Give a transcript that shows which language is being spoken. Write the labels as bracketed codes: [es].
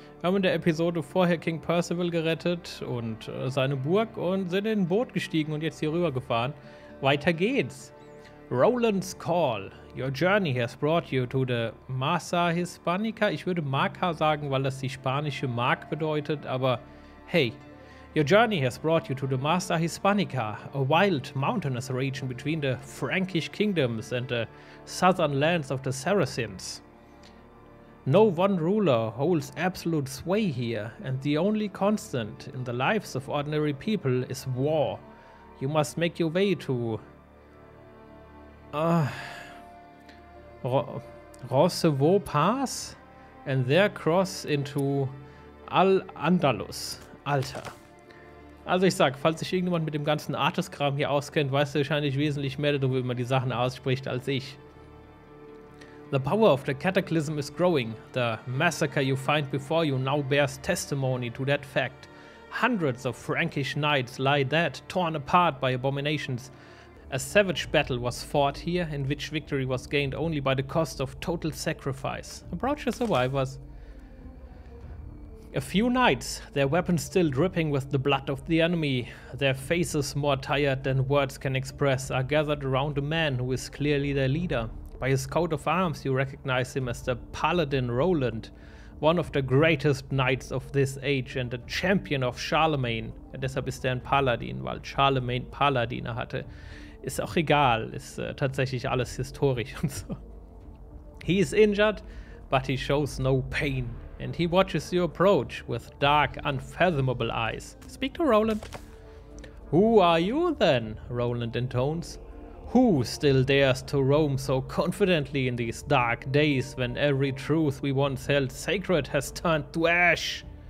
[de] Wir haben in der Episode vorher King Percival gerettet und seine Burg und sind in ein Boot gestiegen und jetzt hier rüber gefahren. Weiter geht's. Roland's Call. [en] Your journey has brought you to the Massa Hispanica. [de] Ich würde Marca sagen, weil das die spanische Mark bedeutet, aber hey. [en] Your journey has brought you to the Massa Hispanica, a wild mountainous region between the Frankish kingdoms and the southern lands of the Saracens. No one ruler holds absolute sway here, and the only constant in the lives of ordinary people is war. You must make your way to... Roncevaux Pass, and there cross into Al-Andalus. [de] Alter. Also ich sag, falls sich irgendjemand mit dem ganzen Artis-Kram hier auskennt, weiß er wahrscheinlich wesentlich mehr darüber, wie man die Sachen ausspricht, als ich. [en] The power of the cataclysm is growing. The massacre you find before you now bears testimony to that fact. Hundreds of Frankish knights lie dead, torn apart by abominations. A savage battle was fought here, in which victory was gained only by the cost of total sacrifice. Approach the survivors. A few knights, their weapons still dripping with the blood of the enemy, their faces more tired than words can express, are gathered around a man who is clearly their leader. By his coat of arms you recognize him as the Paladin Roland, one of the greatest knights of this age and a champion of Charlemagne. [de] Und deshalb ist er ein Paladin, weil Charlemagne Paladine hatte. Ist auch egal, ist tatsächlich alles historisch und so. [en] He is injured, but he shows no pain. And he watches you approach with dark, unfathomable eyes. Speak to Roland. Who are you then? Roland intones. Who still dares to roam so confidently in these dark days when every truth we once held sacred has turned to ash?